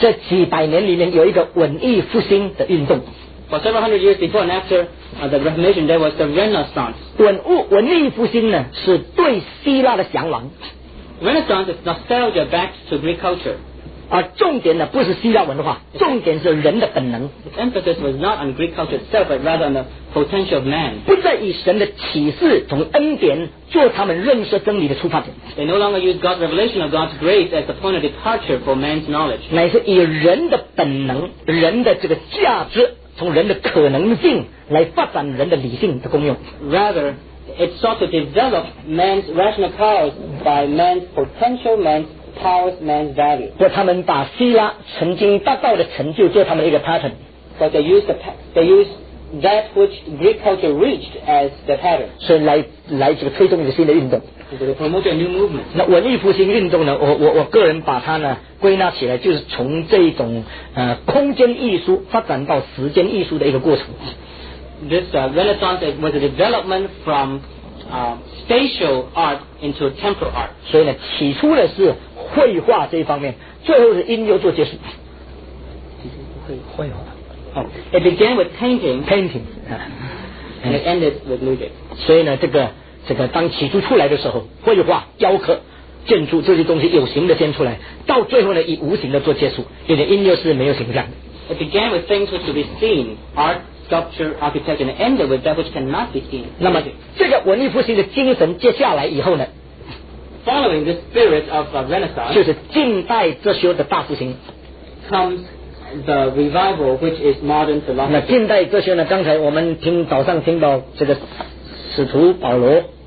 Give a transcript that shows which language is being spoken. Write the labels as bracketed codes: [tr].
[zh] 这几百年里面有一个文艺复兴的运动。 [en] For several hundred years before and after the Reformation, there was the Renaissance. [zh] 文艺复兴呢，是对希腊的向往。 [en] Renaissance is nostalgia back to Greek culture. [zh] 而重点呢，不是希腊文化，重点是人的本能。 [en] The emphasis was not on Greek culture itself, but rather on the potential of man. [zh] 不再以神的启示从恩典做他们认识真理的出发点。 [en] They no longer use God's revelation of God's grace as the point of departure for man's knowledge. [zh] 乃是以人的本能，人的这个价值。从人的可能性来发展人的理性的功用。 [en] Rather, it sought to develop man's rational powers by man's potential, man's powers, man's value. [zh] 就他们把希腊曾经达到的成就做他们一个 pattern. [en] So they used that which Greek culture reached as the pattern. [zh] 所以来这个推动一个新的运动。 [en] So they promoted a new movement. [zh] 那文艺复兴运动呢？我个人把它呢。归纳起来就是从这种空间艺术发展到时间艺术的一个过程。 [en] This Renaissance was a development from spatial art into temporal art. [zh] 所以呢，起初的是绘画这一方面，最后是音乐做结束。 [en] It began with painting. Painting. And it ended with music. [zh] 所以呢，这个当起初出来的时候，绘画、雕刻。建筑这些东西有形的先出来，到最后呢以无形的做结束，因为音乐是没有形象的。 [en] It began with things which could be seen, art, sculpture, architecture, and ended with that which cannot be seen. [zh] 那么这个文艺复兴的精神接下来以后呢 [en] ？Following the spirit of Renaissance， [zh] 就是近代哲学的大复兴。 [en] Comes the revival which is modern philosophy. [zh] 那近代哲学呢？刚才我们听早上听到这个使徒保罗。